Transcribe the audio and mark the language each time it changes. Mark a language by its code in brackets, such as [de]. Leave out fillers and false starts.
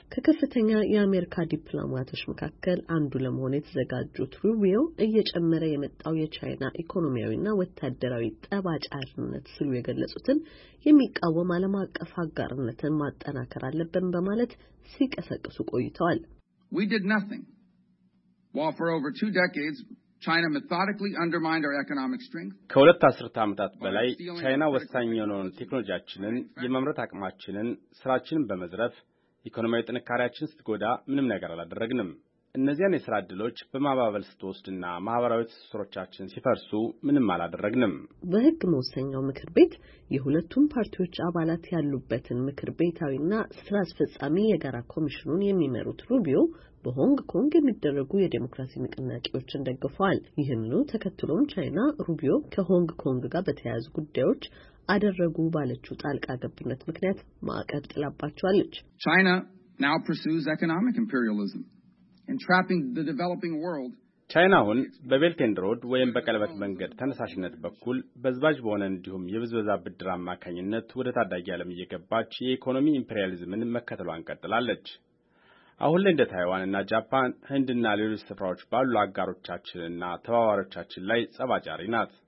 [am] ከከፍተኛ የአሜሪካ ዲፕሎማቶች መካከል አንዱ ለመሆን የተዘጋጁት ሩቢዮ እየጨመረ የመጣው የቻይና ኢኮኖሚያዊና ወታደራዊ ጠባጫሪነት ሲሉ የገለጹትን የሚቃወም ዓለም አቀፍ አጋርነትን ማጠናከር አለብን በማለት ሲቀሰቅሱ ቆይተዋል። [en] We did nothing. While for over 2 decades China methodically undermined our economic strength. [am] ከሁለት አስርተ ዓመታት በላይ ቻይና ወሳኝ የሆነውን ቴክኖሎጂያችንን፣ የመምረት አቅማችንን፣ ስራችንን በመዝረፍ ኢኮኖሚያዊ ጥንካሬያችንን ስትጎዳ ምንም ነገር አላደረግንም። እነዚያን የሥራ ዕድሎች በማባበል ስትወስድና ማህበራዊ ትስስሮቻችን ሲፈርሱ ምንም አላደረግንም። በሕግ መወሰኛው ምክር ቤት የሁለቱም ፓርቲዎች አባላት ያሉበትን ምክር ቤታዊና ሥራ አስፈጻሚ የጋራ ኮሚሽኑን የሚመሩት ሩቢዮ በሆንግ ኮንግ የሚደረጉ የዴሞክራሲ ንቅናቄዎችን ደግፈዋል። ይህንኑ ተከትሎም ቻይና ሩቢዮ ከሆንግ ኮንግ ጋር በተያያዙ ጉዳዮች አደረጉ ባለችው ጣልቃ ገብነት ምክንያት ማዕቀብ ጥላባቸዋለች። [en] ቻይና now pursues economic imperialism, entrapping the developing world. [am] ቻይና ሁን በቤልት ኤንድ ሮድ ወይም በቀለበት መንገድ ተነሳሽነት በኩል በዝባጅ በሆነ እንዲሁም የብዝበዛ ብድር አማካኝነት ወደ ታዳጊ ዓለም እየገባች የኢኮኖሚ ኢምፔሪያሊዝምን መከተሏን ቀጥላለች። አሁን ላይ እንደ ታይዋን እና ጃፓን፣ ህንድ እና ሌሎች ስፍራዎች ባሉ አጋሮቻችን እና ተባባሪዎቻችን ላይ ጸባጫሪ ናት።